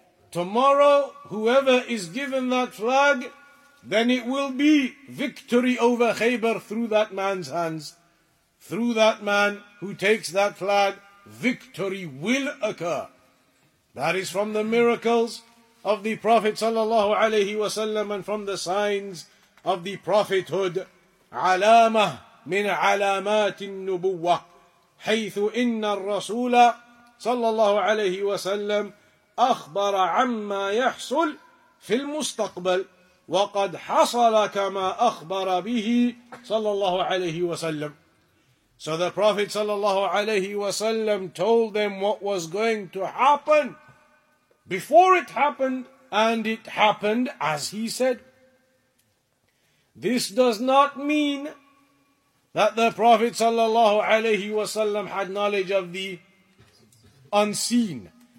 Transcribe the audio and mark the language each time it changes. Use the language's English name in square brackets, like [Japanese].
[English] Tomorrow, whoever is given that flag, then it will be victory over Khaybar through that man's hands. Through that man who takes that flag, victory will occur. That is from the miracles of the Prophet sallallahu alayhi wasallam and from the signs of the prophethood. [Arabic] Alama min alamatin nubuwa. حيث إن الرسول صلى الله عليه وسلم أخبر عما يحصل في المستقبل وقد حصل كما أخبر به صلى الله عليه وسلم. [English] So the Prophet صلى الله عليه وسلم told them what was going to happen before it happened, and it happened as he said. This does not mean that the Prophet sallallahu alayhi wasallam had knowledge of the unseen.